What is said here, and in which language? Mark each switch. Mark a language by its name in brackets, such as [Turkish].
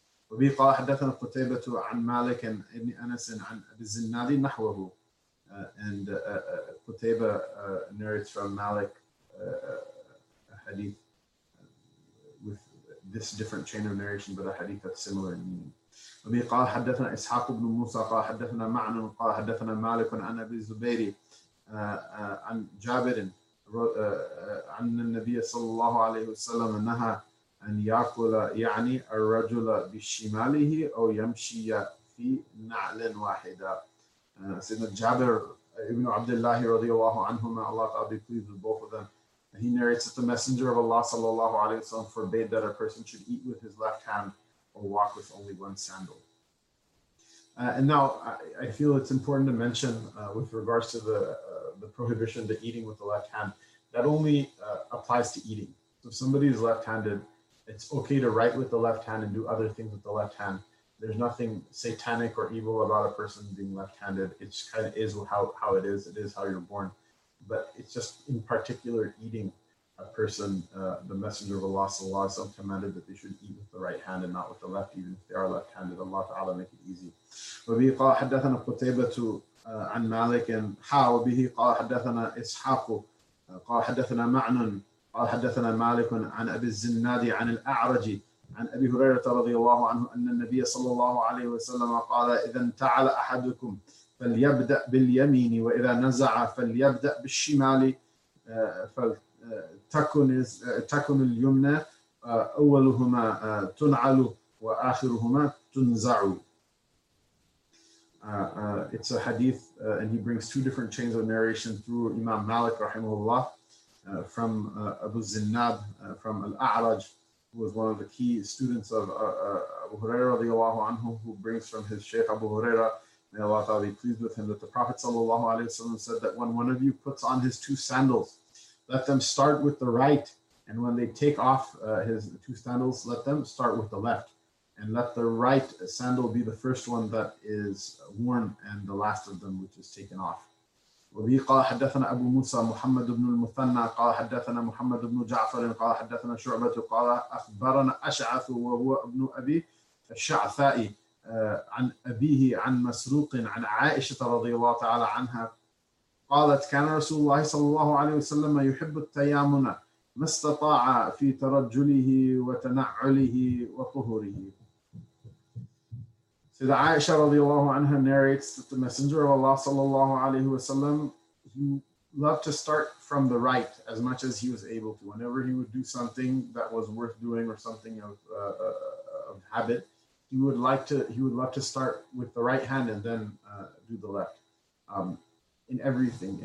[Arabic] وبه قال حدثنا قتيبة عن مالك عن ابن أنس عن أبي الزناد نحوه. [English] And قتيبة narrates from Malik a hadith with this different chain of narration, but a hadith that's similar in meaning. [Arabic] وبه قال حدثنا إسحاق بن موسى قال حدثنا معن قال حدثنا مالك عن أبي الزبير عن جابر عن النبي صلى الله عليه وسلم أنها أن يأكل يعني الرجل بشماله أو يمشي في نعل واحدة. سيدنا جابر ابن عبد الله رضي الله عنهما, [English] Allah ta'ala be pleased with both of them, he narrates that the Messenger of Allah [Arabic] sallallahu alayhi wa sallam [English] forbade that a person should eat with his left hand or walk with only one sandal. And now I feel it's important to mention with regards to the prohibition to eating with the left hand, that only applies to eating. So if somebody is left-handed, it's okay to write with the left hand and do other things with the left hand. There's nothing satanic or evil about a person being left-handed. It just kind of is how it is. It is how you're born. But it's just in particular eating a person. The Messenger of Allah [Arabic] sallallahu alaihi wasallam [English] commanded that they should eat with the right hand and not with the left, even if they are left-handed. [Arabic] Allah ta'ala [English] make it easy. [Arabic] وَبِهِ قَالَ حَدَّثَنَا قُتَيْبَةُ عَنْ مَالِكٍ حَاوَ بِهِ قَالَ حَدَّثَنَا إِسْحَاقُ قَالَ حَدَّثَنَا مَعْنٌ قال حدثنا مالك عن أبي الزناد عن الأعرج عن أبي هريرة رضي الله عنه أن النبي صلى الله عليه وسلم قال إذا انتعل أحدكم فليبدأ باليمين وإذا نزع فليبدأ بالشمال فلتكن اليمنى أولهما تنعل وآخرهما تنزع. [English] It's a hadith and he brings two different chains of narration through Imam Malik rahimahullah. From Abu Zinnab, from Al-A'raj, who was one of the key students of Abu Huraira [Arabic] radiallahu anhu, [English] who brings from his Shaykh Abu Huraira, may Allah ta'ala be pleased with him, that the Prophet sallallahu alayhi wa sallam said that when one of you puts on his two sandals, let them start with the right, and when they take off his two sandals, let them start with the left, and let the right sandal be the first one that is worn, and the last of them which is taken off. [Arabic] وبه قال حدثنا أبو موسى محمد بن المثنى قال حدثنا محمد بن جعفر قال حدثنا شعبة قال أخبرنا أشعث وهو ابن أبي الشعثاء عن أبيه عن مسروق عن عائشة رضي الله تعالى عنها قالت كان رسول الله صلى الله عليه وسلم يحب التيامن ما استطاع في ترجله وتنعله وطهره. [English] The Aisha [Arabic] radiallahu anha [English] narrates that the Messenger of Allah [Arabic] sallallahu alayhi wa sallam, [English] he loved to start from the right as much as he was able to. Whenever he would do something that was worth doing or something of habit, he would love to start with the right hand and then do the left in everything.